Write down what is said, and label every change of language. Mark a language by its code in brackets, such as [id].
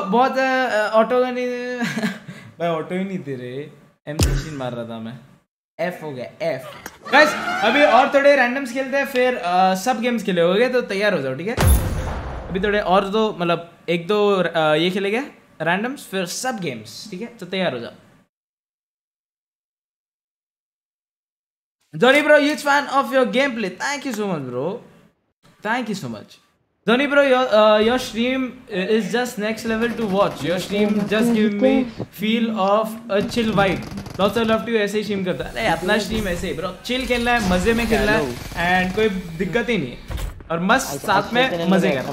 [hi] बहुत auto gun भाई, auto ही नहीं दे रहे, एम मशीन मार रहा था मैं। F हो गया, F. Guys, अभी और थोड़े रैंडम्स खेलते हैं, फिर सब गेम्स खेलोगे तो तैयार हो जाओ, ठीक है? अभी थोड़े और दो, मतलब एक दो ये खेलेंगे रैंडम्स, फिर सब गेम्स, ठीक है? तो तैयार हो जाओ। [en] Dhoni bro, huge fan of your gameplay. Thank you so much, bro. Thank you so much. Dhoni bro, your stream is just next level to watch. Your stream just give me feel of a chill vibe. Lots of love to you, [hi] ऐसे ही stream करता है। अपना stream ऐसे ही bro, chill खेलना है, मजे में खेलना है and कोई दिक्कत ही नहीं है और मस्त साथ में मजे कर